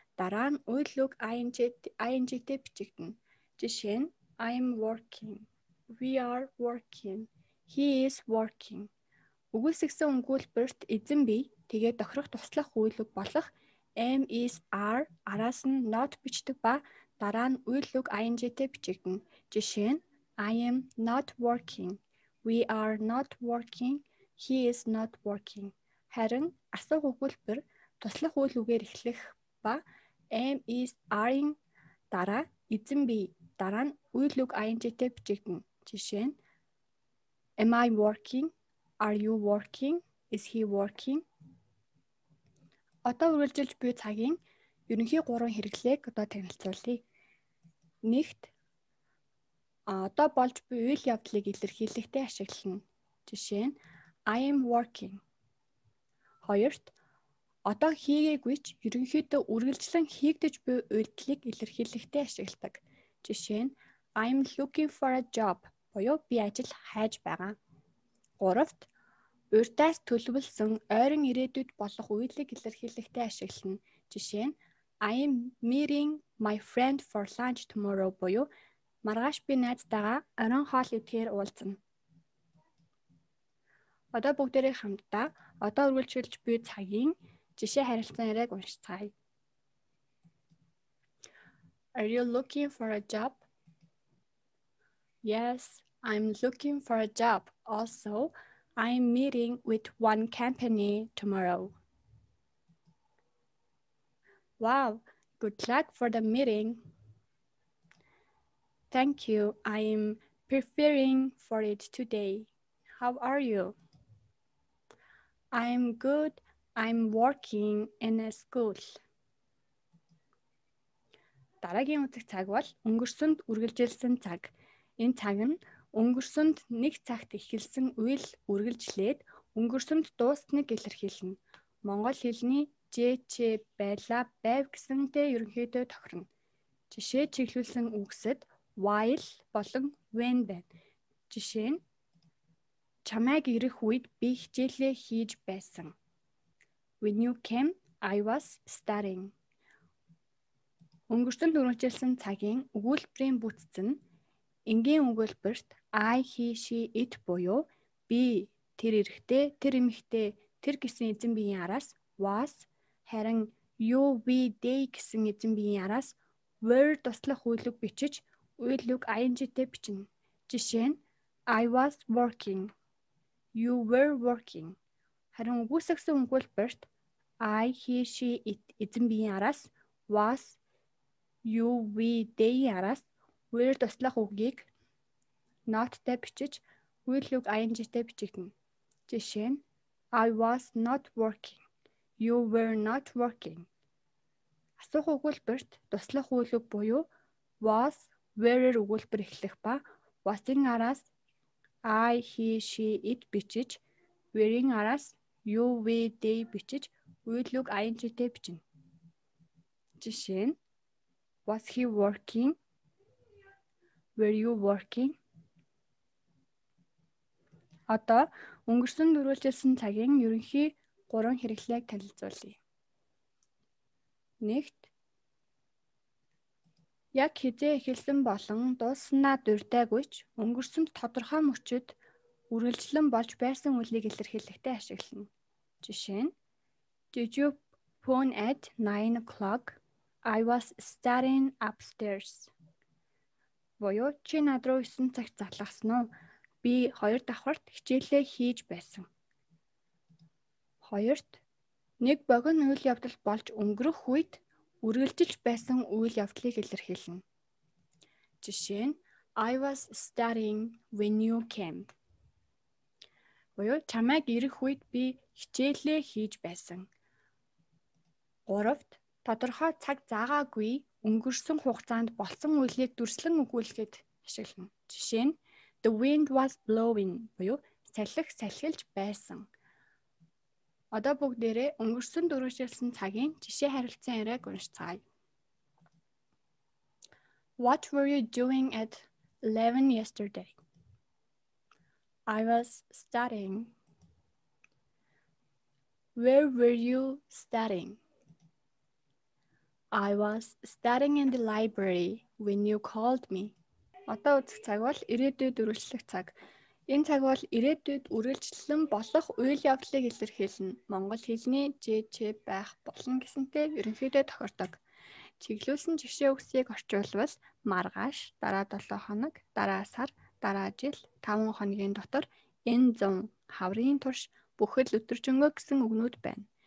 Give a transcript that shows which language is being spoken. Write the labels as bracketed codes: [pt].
[mn] Дараа нь үйл үг ing-тэй бичигдэн. Жишээ нь [en] I'm working. We are working. He is working. [mn] Өгүүлсэгсэн өгүүлбэрт эзэн бий, тэгээд тохирох туслах үйл үг болох am, is, are араас нь not бичдэг ба дараа нь үйл үг ing-тэй бичигдэн. Жишээ нь [en] I am not working. We are not working. He is not working. [mn] Харин асуух өгүүлбэр туслах үйл үгээр эхлэх ба am, is, are-ийн дараа эзэн бий, дараа нь үйл үг ing-тэй бичигдэн. Жишээ нь [en] Am I working? Are you working? Is he working? [mn] Одоо үргэлжилж буй цагийн ерөнхий гурван хэрэглээг одоо танилцуулъя. Нэгт одоо болж буй үйл явдлыг илэрхийлэхдээ ашиглана. Жишээ нь [en] I am working. [mn] Хоёрт одоо хийгээгүй ч ерөнхийдөө үргэлжлэн хийгдэж буй үйлдэлийг илэрхийлэхдээ ашигладаг. Жишээ нь [en] I am looking for a job. [mn] Боё би ажил хайж байгаа. Гуравт урьдаас төлөвлөсөн ойрын ирээдүйд болох үйлдэл илэрхийлэхдээ ашиглана. Жишээ нь [en] I am meeting my friend for lunch tomorrow. [mn] Боё маргааш би найзтайгаа оройн хоол идэхээр уулзна. Одоо бүгдээрээ хамтдаа одоо үргэлжлүүлж буй цагийн жишээ харилцан яриаг уншицгаая. [en] Are you looking for a job? Yes, I'm looking for a job. Also, I'm meeting with one company tomorrow. Wow, good luck for the meeting. Thank you. I'm preparing for it today. How are you? I'm good. I'm working in a school. [mn] Дараагийн үзэх цаг бол өнгөрсөнд үргэлжилсэн цаг. Энэ цаг нь өнгөрсөнд нэг цагт эхэлсэн үйл үргэлжлээд өнгөрсөнд дуусныг илэрхийлнэ. Монгол хэлний жч байла байв гэсэнтэй ерөнхийдөө тохирно. Жишээ чиглүүлсэн үгсэд while болон when байна. Жишээ нь чамайг ирэх үед би хичээлээ хийж байсан. [en] When you came, I was studying. [mn] Өнгөрсөнд үргэлжилсэн цагийн өгүүлбэрийн бүтэц нь энгийн өгүүлбэрт I, he, she, it буюу би, тэр эрэгтэй, тэр эмэгтэй, тэр гэсэн эзэн биеийн араас was, харин you, we, they гэсэн эзэн биеийн араас were туслах үйл үг бичиж үйл үг ing-тэй бичнэ. Жишээ нь [en] I was working. You were working. [mn] Харин үгүйсгсэн өгүүлбэрт I, he, she, it эзэн биеийн араас was, you, we, they араас үйл туслах үгийг not-тэй бичиж үйл үг ing-тэй бичигдэнэ. Жишээ нь [en] I was not working. You were not working. [mn] Асуух өгүүлбэрт туслах үйл үг буюу was, were-ээр өгүүлбэр эхлэх ба was-ийн араас I, he, she, it бичиж were-ийн араас you, we, they бичиж үйл үг ing-тэй бичнэ. Жишээ нь [en] was he working? Were you working? [mn] Одоо өнгөрсөн үргэлжилсэн цагийн ерөнхий гурван хэрэглээг танилцуулъя. Нэгт яг хизээ эхэлсэн болон дууснаа дурдаагүй ч өнгөрсөн тодорхой мөчөд үргэлжлэн болж байсан үлийг илэрхийлэхдээ ашиглана. Жишээ нь [en] Did you phone at 9 o'clock? I was studying upstairs. [mn] Боё чи надруу 9 цагт залгасан уу? Би 2 давхарт хичээлээ хийж байсан. 2-т нэг богино үйл явдал болж өнгөрөх үед үргэлжилж байсан үйл явдлыг илэрхийлнэ. Жишээ нь [en] I was studying when you came. [mn] Боёо, чамайг ирэх үед би хичээлээ хийж байсан. 3-т тодорхой цаг заагаагүй өнгөрсөн хугацаанд болсон үйлийг дүрслэн өгүүлэхэд ашиглана. Жишээ нь [en] The wind was blowing. [mn] Боёо, салхи салхилж байсан. Одоо бүгдээрээ өнгөрсөн үргэлжилсэн цагийн жишээ харилцан яриаг уншицгаая. [en] What were you doing at 11 yesterday? I was studying. Where were you studying? I was studying in the library when you called me. [mn] Одоо үзэх цаг бол ирээдүйд үргэлжлэх цаг. Энэ цаг бол ирээдүйд үргэлжлэн болох үйл явдлыг илэрхийлнэ. Монгол хэлний ЖЧ байх болно гэсэнтэй ерөнхийдөө тохирдог. Чиглүүлсэн жишээ үгсийг орчуулбал маргааш, дараа 7 хоног, дараа сар, дараа жил, 5 хоногийн дотор, энэ зун, хаврын турш, бүхэл өдөржингөө гэсэн үгнүүд байна.